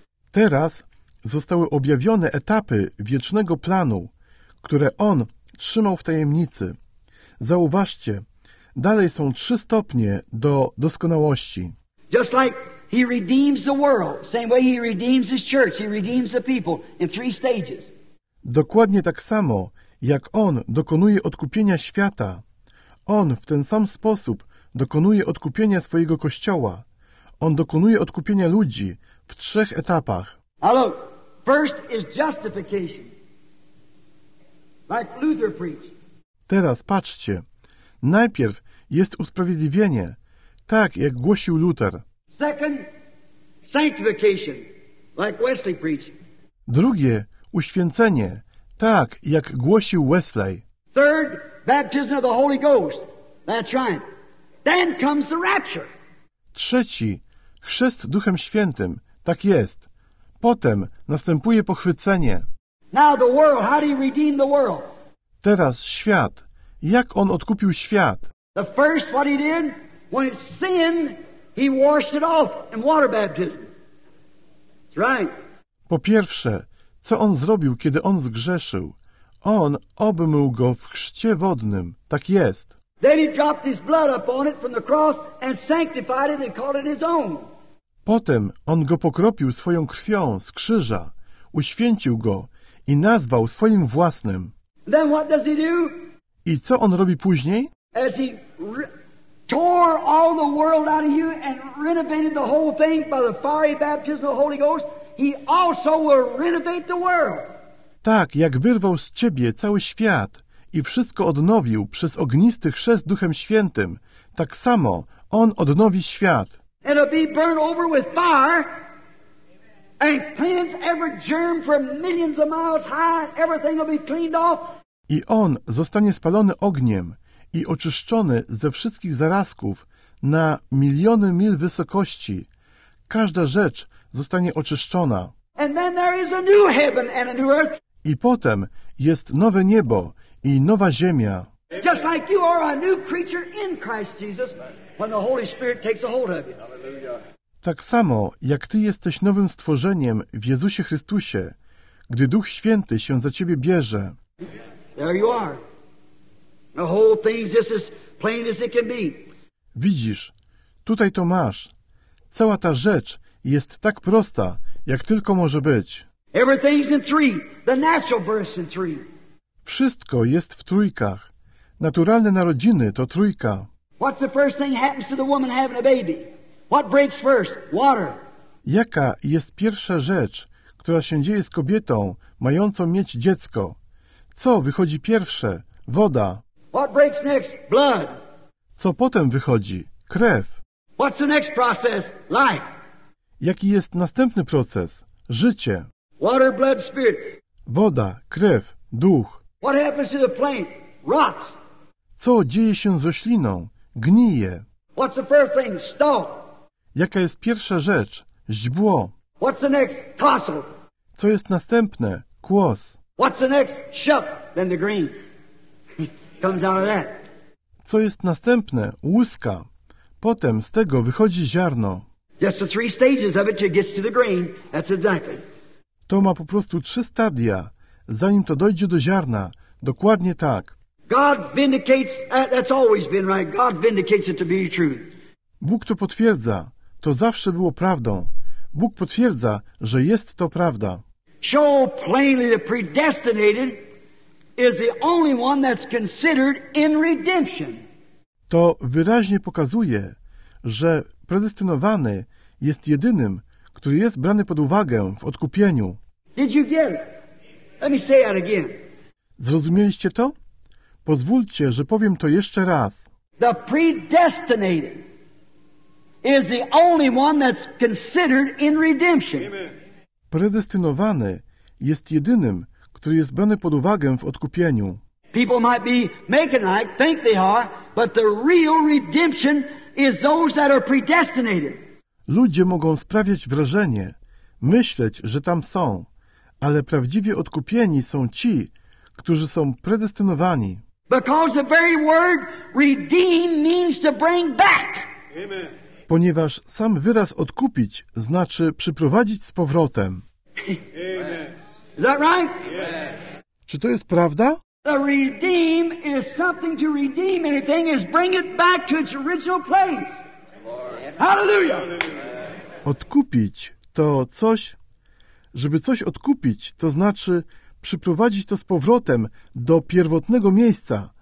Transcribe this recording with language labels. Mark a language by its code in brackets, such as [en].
[pl] Teraz zostały objawione etapy wiecznego planu, które on trzymał w tajemnicy. Zauważcie, dalej są trzy stopnie do doskonałości. [en] Just like he redeems the world, same way he redeems his church, he redeems the people in three stages. [pl] Dokładnie tak samo, jak on dokonuje odkupienia świata, on w ten sam sposób dokonuje odkupienia swojego kościoła. On dokonuje odkupienia ludzi w trzech etapach. [en] Hello. First is justification. Like Luther preached. [pl] Teraz patrzcie. Najpierw jest usprawiedliwienie, tak jak głosił Luther. [en] Second, sanctification, like Wesley preached. [pl] Drugie, uświęcenie, tak jak głosił Wesley. [en] Third, baptism of the Holy Ghost. That's right. Then comes the rapture. [pl] Trzeci, chrzest Duchem Świętym. Tak jest. Potem następuje pochwycenie. [en] Now the world, how do you redeem the world? [pl] Teraz świat. Jak on odkupił świat? [en] The first what he did, when it sinned, he washed it off in water baptism. That's right. [pl] Po pierwsze, co on zrobił, kiedy on zgrzeszył? On obmył go w chrzcie wodnym. Tak jest. [en] Then he dropped his blood upon it from the cross and sanctified it and called it his own. [pl] Potem on go pokropił swoją krwią z krzyża, uświęcił go i nazwał swoim własnym. [en] Then what does he do? [pl] I co on robi później? [en] As he tore all the world out of you and renovated the whole thing by the fiery baptism of the Holy Ghost, he also will renovate the world. [pl] Tak, jak wyrwał z ciebie cały świat i wszystko odnowił przez ognisty chrzest Duchem Świętym, tak samo on odnowi świat. [en] And it'll be burned over with fire and cleanse every germ from millions of miles high. Everything will be cleaned off. [pl] I on zostanie spalony ogniem i oczyszczony ze wszystkich zarazków na miliony mil wysokości. Każda rzecz zostanie oczyszczona. [en] And then there is a new heaven and a new earth. [pl] I potem jest nowe niebo i nowa ziemia. [en] Just like you are a new creature in Christ Jesus when the Holy Spirit takes a hold of you. [pl] Tak samo jak ty jesteś nowym stworzeniem w Jezusie Chrystusie, gdy Duch Święty się za ciebie bierze. [en] There you are. The whole thing is just as plain as it can be. [pl] Widzisz, tutaj to masz. Cała ta rzecz jest tak prosta, jak tylko może być. [en] Everything's in three. The natural birth's in three. [pl] Wszystko jest w trójkach. Naturalne narodziny to trójka. [en] What's the first thing happens to the woman having a baby? What breaks first? Water. [pl] Jaka jest pierwsza rzecz, która się dzieje z kobietą mającą mieć dziecko? Co wychodzi pierwsze? Woda. [en] What breaks next? Blood. [pl] Co potem wychodzi? Krew. [en] What's the next process? Life. [pl] Jaki jest następny proces? Życie. [en] Water, blood, spirit. [pl] Woda, krew, duch. [en] What happens to the plant? Rots. [pl] Co dzieje się z rośliną? Gnije. [en] What's the first thing? Stalk. [pl] Jaka jest pierwsza rzecz? Źbło. [en] What's the next? Tassel. [pl] Co jest następne? Kłos. [en] What's the next? Shuck. Then the green. Comes out of that. [pl] Co jest następne? Łuska. Potem z tego wychodzi ziarno. [en] Just the three stages of it till it gets to the green. That's exactly. [pl] To ma po prostu trzy stadia, zanim to dojdzie do ziarna. Dokładnie tak. [en] God vindicates, that's always been right. God vindicates it to be true. [pl] Bóg to potwierdza. To zawsze było prawdą. Bóg potwierdza, że jest to prawda. [en] Show plainly the predestinated is the only one that's considered in redemption. [pl] To wyraźnie pokazuje, że predestynowany jest jedynym, który jest brany pod uwagę w odkupieniu. [en] Did you get it? Let me say that again. [pl] Zrozumieliście to? Pozwólcie, że powiem to jeszcze raz. [en] The predestinated is the only one that's considered in redemption. Amen. [pl] Predestynowany jest jedynym, który jest brany pod uwagę w odkupieniu. [en] People might be making like, think they are, but the real redemption is those that are predestinated. [pl] Ludzie mogą sprawiać wrażenie, myśleć, że tam są, ale prawdziwie odkupieni są ci, którzy są predestynowani. [en] Because the very word redeem means to bring back. Amen. [pl] Ponieważ sam wyraz odkupić znaczy przyprowadzić z powrotem. [en] Amen. Is that right? Yes. [pl] Czy to jest prawda? [en] The redeem is something to redeem anything is bring it back to its original place. Hallelujah. [pl] Odkupić to coś, żeby coś odkupić, to znaczy przyprowadzić to z powrotem do pierwotnego miejsca.